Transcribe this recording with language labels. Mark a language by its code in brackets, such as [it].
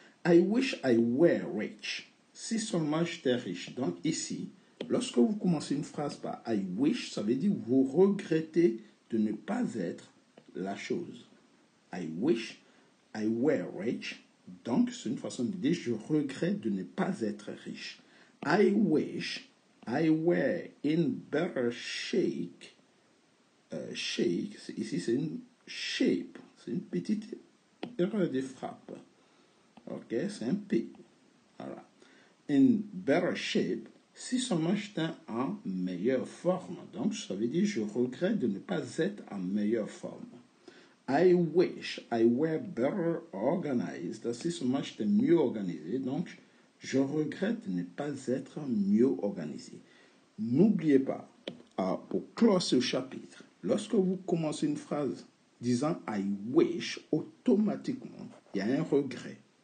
[en] I wish I were rich. [fr] Si seulement j'étais riche. Donc ici, lorsque vous commencez une phrase par [en] I wish, [fr] ça veut dire vous regrettez de ne pas être la chose. [en] I wish I were rich. [fr] Donc c'est une façon de dire je regrette de ne pas être riche. [en] I wish I were in better shape. [fr] Shape, ici c'est une shape. C'est une petite erreur de frappe. Ok, c'est un P. Voilà. [en] In better shape, [fr] si seulement j'étais en meilleure forme. Donc, ça veut dire je regrette de ne pas être en meilleure forme. [en] I wish I were better organized. [fr] Si seulement j'étais mieux organisé. Donc, je regrette de ne pas être mieux organisé. N'oubliez pas, pour clore ce chapitre, lorsque vous commencez une phrase disant [en] I wish, [fr] automatiquement, il y a un regret.